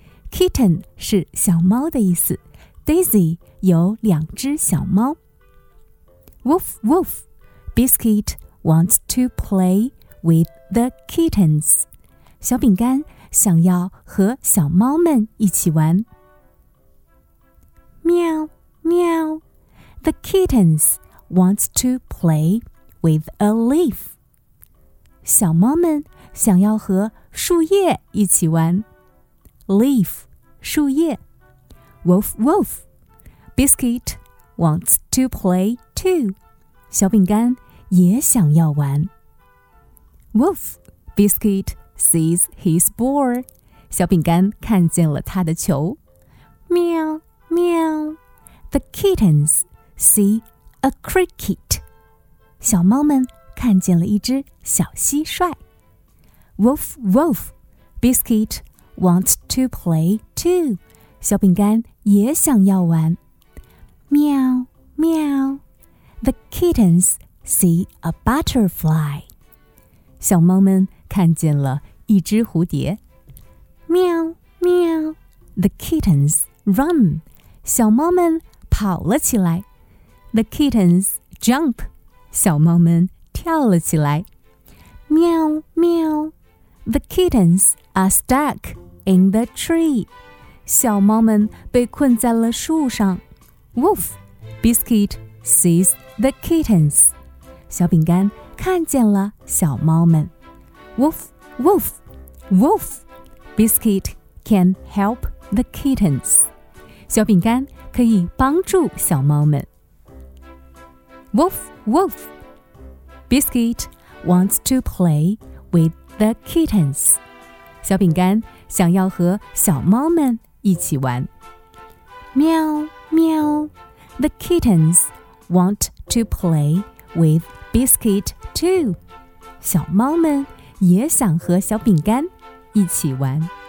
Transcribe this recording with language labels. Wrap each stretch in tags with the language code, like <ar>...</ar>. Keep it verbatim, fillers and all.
<zh>Kitten 是小猫的意思。Daisy 有两只小猫。</zh> <en>Woof woof. Biscuit. Wants to play with the kittens.</en> <zh>小饼干想要和小猫们一起玩。喵喵。</zh> <en>The kittens wants to play with a leaf.</en> <zh>小猫们想要和树叶一起玩。</zh> <en>Leaf, 树叶。Woof woof. Biscuit wants to play too.</en> <zh>小饼干也想要玩。</zh> <en>Woof, Biscuit sees his ball.</en> <zh>小饼干看见了他的球。喵喵。</zh> <en>The kittens see a cricket.</en> <zh>小猫们看见了一只小蟋蟀。</zh> <en>Woof, woof, Biscuit wants to play too.</en> <zh>小饼干也想要玩。喵喵。</zh> <en>The kittens see a butterfly.</en> <zh>小猫们看见了一只蝴蝶。</zh> <en>喵喵。The kittens run.</en> <zh>小猫们跑了起来。</zh> <en>The kittens jump.</en> <zh>小猫们跳了起来。喵喵。</zh> <en>The kittens are stuck in the tree.</en> <zh>小猫们被困在了树上。</zh> <en>Woof, Biscuit sees the kittens.</en> <zh>小饼干看见了小猫们。</zh> <en>Woof, woof, woof. Biscuit can help the kittens.</en> <zh>小饼干可以帮助小猫们。</zh> <en>Woof, woof. Biscuit wants to play with the kittens.</en> <zh>小饼干想要和小猫们一起玩。喵喵。</zh> <en>The kittens want to play with Biscuit too.</en> <zh>小猫们也想和小饼干一起玩。</zh>